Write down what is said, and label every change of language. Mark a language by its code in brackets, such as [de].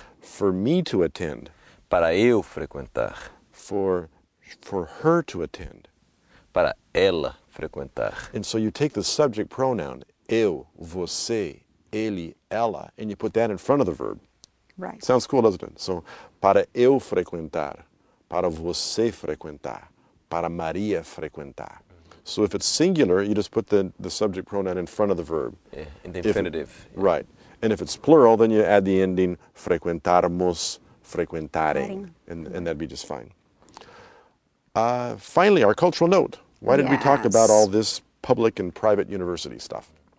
[en] For me to attend. [pt] Para eu frequentar. [en] For her to attend. [pt] Para ela frequentar. [en] And so you take the subject pronoun, eu, você, ele, ela, and you put that in front of the verb. Right. Sounds cool, doesn't it? So, [pt] para eu frequentar, para você frequentar, para Maria frequentar. [en] So if it's singular, you just put the subject pronoun in front of the verb. Yeah, in the infinitive. Yeah. Right. And if it's plural, then you add the ending frequentarmos, frequentarem, and that'd be just fine. Finally, our cultural note. Why did we talk about all this public and private university stuff?